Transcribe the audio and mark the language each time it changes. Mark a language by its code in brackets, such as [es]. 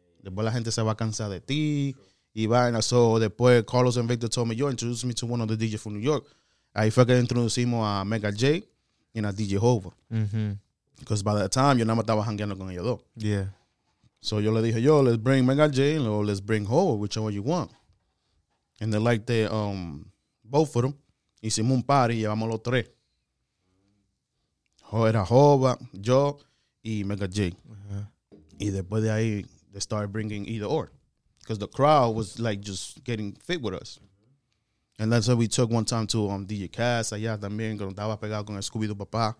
[es] Después la gente se va a cansar de ti. Y vaina. [en] So después Carlos and Victor told me, yo, introduce me to one of the DJs from New York. [es] Ahí fue que introducimos a Mega J y a DJ Hova. [en] Because by that time, [es] yo nada más estaba jangueando con ellos dos. [en] Yeah. So [es] yo le dije, [en] yo, let's bring Mega J and let's bring Hova, whichever you want. And they liked the, both of them. [es] Hicimos un party y llevamos los tres. Era Hova, yo y Mega J. Uh-huh. Y después de ahí, [en] they started bringing either or. Because the crowd was, like, just getting fit with us. And that's what we took one time to DJ Cass. [es] Allá también, que estaba pegado con el Scooby-Doo Papá.